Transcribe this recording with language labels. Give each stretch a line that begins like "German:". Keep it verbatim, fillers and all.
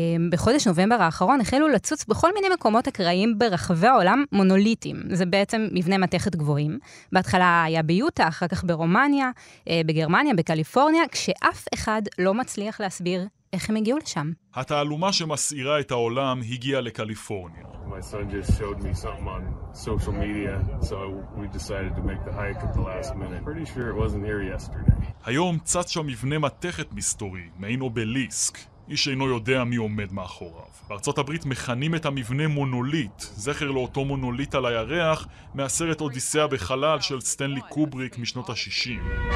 Hebrew: בחודש נובמבר האחרון החלו לצוץ בכל מיני מקומות אקראיים ברחבי העולם מונוליטים. זה בעצם מבנה מתכת גבוהים. בהתחלה היה ביוטה, אחר כך ברומניה, בגרמניה, בקליפורניה, כשאף אחד לא מצליח להסביר איך הם הגיעו לשם. התעלומה שמסעירה את העולם הגיעה לקליפורניה.
English: My son just showed me something on social media, so we decided to make the hike at the last minute. Pretty sure it wasn't here yesterday.
Hebrew: היום צץ שם מבנה מתכת מסתורי, מעין אובליסק. איש אינו יודע מי עומד מאחוריו. בארצות הברית מכנים את המבנה מונוליט, זכר לאותו מונוליט על הירח, מהסרט אודיסאה בחלל של סטנלי קובריק משנות ה-שישים.